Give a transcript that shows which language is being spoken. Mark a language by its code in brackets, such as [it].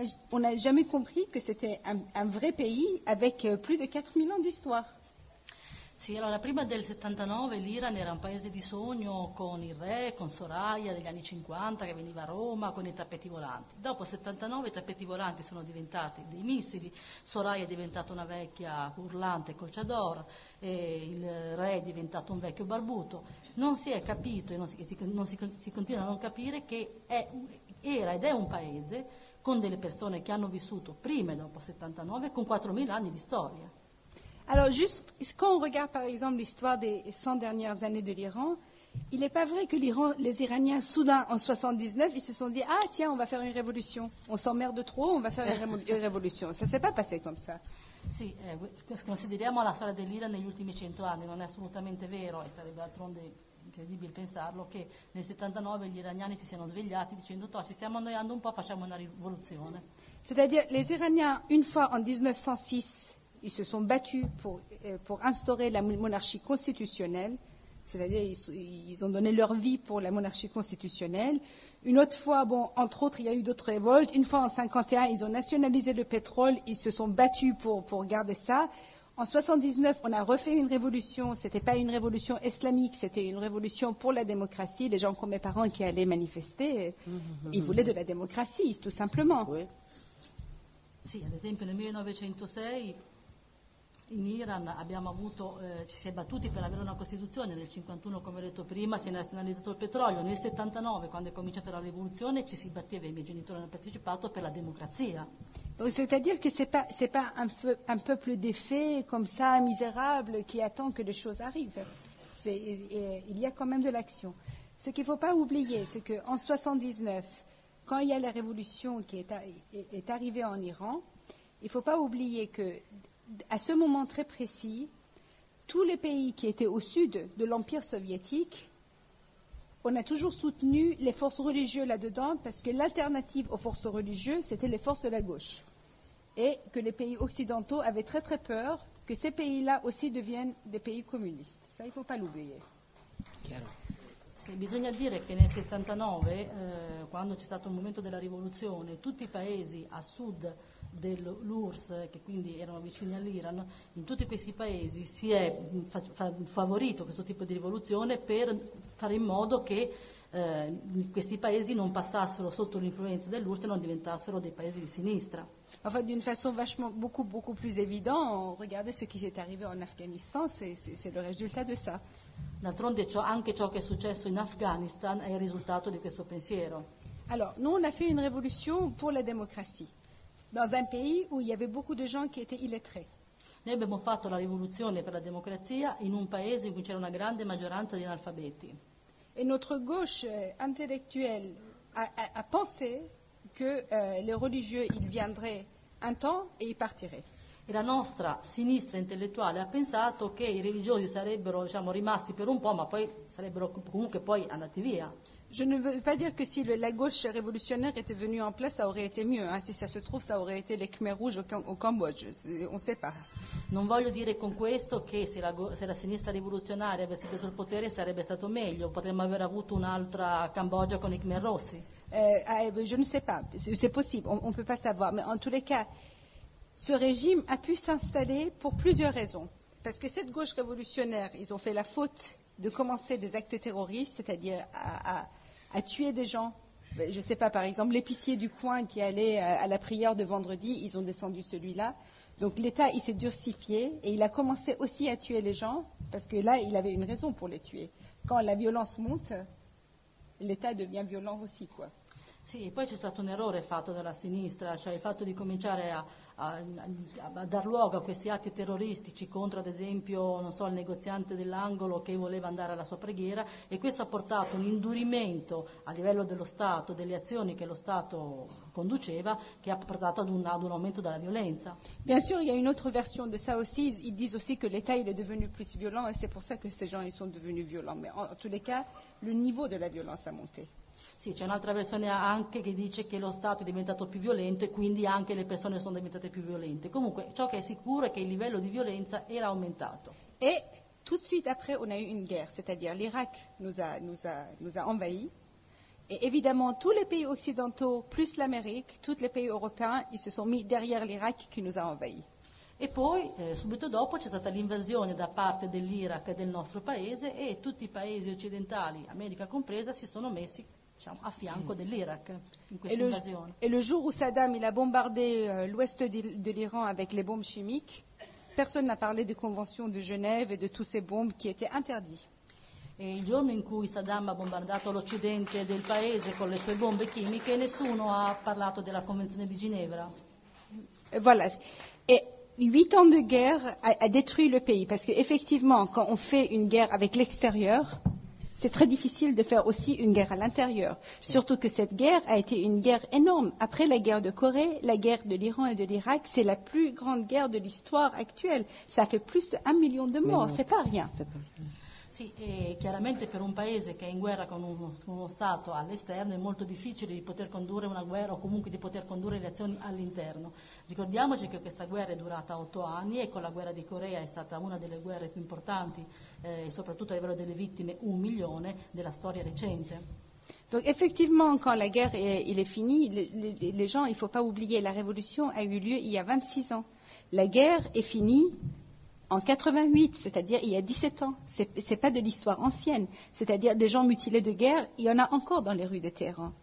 [fr] On n'a jamais compris que c'était un vrai pays avec plus de 4000 ans d'histoire. [it] Sì, allora prima del 79 l'Iran era un paese di sogno con il re, con Soraya degli anni 50 che veniva a Roma con i tappeti volanti. Dopo 79 i tappeti volanti sono diventati dei missili, Soraya è diventata una vecchia urlante col chador, e il re è diventato un vecchio barbuto. Non si è capito e non si continua a non capire che era ed è un paese con delle persone che hanno vissuto prima e dopo 79 con 4000 anni di storia. [fr] Alors juste, quand on regarde par exemple l'histoire des 100 dernières années de l'Iran, il n'est pas vrai que l'Iran, les Iraniens, soudain, en 79, ils se sont dit « Ah tiens, on va faire une révolution, on s'emmerde trop, on va faire une révolution ». Ça ne s'est pas passé comme ça. [it] Sì, consideriamo la storia dell'Iran negli ultimi 100 anni, non è assolutamente vero, e sarebbe d'altronde incredibile pensarlo, che nel 79 gli iraniani si siano svegliati dicendo « Ci stiamo annoiando un po', facciamo una rivoluzione ». [fr] C'est-à-dire, les Iraniens, une fois en 1906, ils se sont battus pour instaurer la monarchie constitutionnelle, c'est-à-dire ils ont donné leur vie pour la monarchie constitutionnelle. Une autre fois, bon, entre autres, il y a eu d'autres révoltes. Une fois en 51, ils ont nationalisé le pétrole, ils se sont battus pour garder ça. En 79, on a refait une révolution, c'était pas une révolution islamique, c'était une révolution pour la démocratie. Les gens comme mes parents qui allaient manifester, ils voulaient de la démocratie, tout simplement. Oui, si, ad esempio, nel 1906... In Iran abbiamo avuto, ci si è battuti per avere una Costituzione, nel 51 come ho detto prima si è nazionalizzato il petrolio, nel 79 quando è cominciata la rivoluzione ci si batteva, i miei genitori hanno partecipato per la democrazia. C'est-à-dire que c'est pas un peuple défait comme ça, misérable, qui attend que les choses arrivent. Il y a quand même de l'action. Ce qu'il ne faut pas oublier, c'est qu'en 79, quand il y a la révolution qui est arrivée en Iran, il ne faut pas oublier que à ce moment très précis, tous les pays qui étaient au sud de l'Empire soviétique, on a toujours soutenu les forces religieuses là-dedans, parce que l'alternative aux forces religieuses, c'était les forces de la gauche. Et que les pays occidentaux avaient très très peur que ces pays-là aussi deviennent des pays communistes. Ça, il ne faut pas l'oublier. [es] Claro. [it] Sì, bisogna dire che nel 79, quando c'è stato il momento della rivoluzione, tutti i paesi a sud dell'URSS, che quindi erano vicini all'Iran, in tutti questi paesi si è favorito questo tipo di rivoluzione per fare in modo che questi paesi non passassero sotto l'influenza dell'URSS e non diventassero dei paesi di sinistra. [fr] Enfin, d'une façon vachement beaucoup, beaucoup plus évident, regardez ce qui s'est arrivé en Afghanistan, c'est le résultat de ça. [it] D'altronde, anche ciò che è successo in Afghanistan è il risultato di questo pensiero. [fr] Alors, nous, on a fait une révolution pour la démocratie, dans un pays où il y avait beaucoup de gens qui étaient illettrés. [it] Noi abbiamo fatto la rivoluzione per la democrazia in un paese in cui c'era una grande maggioranza di analfabeti. [fr] Et notre gauche intellectuelle a pensé que les religieux, ils viendraient un temps et ils partiraient. [it] Et la nostra sinistra intellettuale a pensato che i religiosi sarebbero, diciamo, rimasti per un po', ma poi sarebbero comunque poi andati via. [fr] Je ne veux pas dire que si la gauche révolutionnaire était venue en place, ça aurait été mieux. Hein. Si ça se trouve, ça aurait été les Khmer Rouges au Cambodge. On ne sait pas. [it] Non voglio dire con questo che se la sinistra rivoluzionaria avesse preso il potere sarebbe stato meglio. Potremmo aver avuto un'altra Cambogia con i Khmer Rossi. [fr] Je ne sais pas. C'est possible. On ne peut pas savoir. Mais en tous les cas, ce régime a pu s'installer pour plusieurs raisons. Parce que cette gauche révolutionnaire, ils ont fait la faute de commencer des actes terroristes, c'est-à-dire à tuer des gens. Je ne sais pas, par exemple, l'épicier du coin qui allait à la prière de vendredi, ils ont descendu celui-là. Donc l'État, il s'est durcifié et il a commencé aussi à tuer les gens parce que là, il avait une raison pour les tuer. Quand la violence monte, l'État devient violent aussi, quoi. [it] Sì, poi c'è stato un errore fatto dalla sinistra, cioè il fatto di cominciare a dar luogo a questi atti terroristici contro, ad esempio, non so, il negoziante dell'angolo che voleva andare alla sua preghiera, e questo ha portato un indurimento a livello dello Stato, delle azioni che lo Stato conduceva, che ha portato ad un aumento della violenza. [fr] Bien sûr, il y a une autre version de ça aussi, ils disent aussi que l'État il est devenu plus violent, et c'est pour ça que ces gens ils sont devenus violents, mais en tous les cas, le niveau de la violence a monté. [it] Sì, c'è un'altra versione anche che dice che lo Stato è diventato più violento e quindi anche le persone sono diventate più violente. Comunque, ciò che è sicuro è che il livello di violenza era aumentato. [fr] E tout de suite après on a eu une guerre, c'est-à-dire l'Irak nous a envahis. Et évidemment, tous les pays occidentaux plus l'Amérique, tous les pays européens, ils se sont mis derrière l'Irak qui nous a envahis. [it] E poi, subito dopo, c'è stata l'invasione da parte dell'Iraq del nostro paese e tutti i paesi occidentali, America compresa, si sono messi a fianco dell'Iraq in questa invasione. E il giorno in cui Saddam il ha bombardato l'ouest dell'Iran con le bombe chimiche, [fr] personne n'a parlé des conventions de Genève [it] e di tutte queste bombe che [fr] étaient interdites. [it] E il giorno in cui Saddam ha bombardato l'occidente del paese con le sue bombe chimiche, nessuno ha parlato della convenzione di Ginevra. [fr] Et voilà. [it] E 8 anni di guerra ha distrutto il paese, perché effettivamente, quando [fr] on fait [it] una guerra con [fr] l'extérieur, c'est très difficile de faire aussi une guerre à l'intérieur. Surtout que cette guerre a été une guerre énorme. Après la guerre de Corée, la guerre de l'Iran et de l'Irak, c'est la plus grande guerre de l'histoire actuelle. Ça fait plus de 1 million de morts, c'est pas rien. [it] Sì, e chiaramente per un paese che è in guerra con uno Stato all'esterno è molto difficile di poter condurre una guerra o comunque di poter condurre le azioni all'interno. Ricordiamoci che questa guerra è durata 8 anni e con la guerra di Corea è stata una delle guerre più importanti, soprattutto a livello delle vittime, 1 milione della storia recente. [fr] Donc effectivement, quand la guerre est finie, les gens, il ne faut pas oublier, la révolution a eu lieu il y a 26 ans. La guerre est finie en 88, c'est-à-dire il y a 17 ans. C'est pas de l'histoire ancienne. C'est-à-dire des gens mutilés de guerre, il y en a encore dans les rues de Téhéran.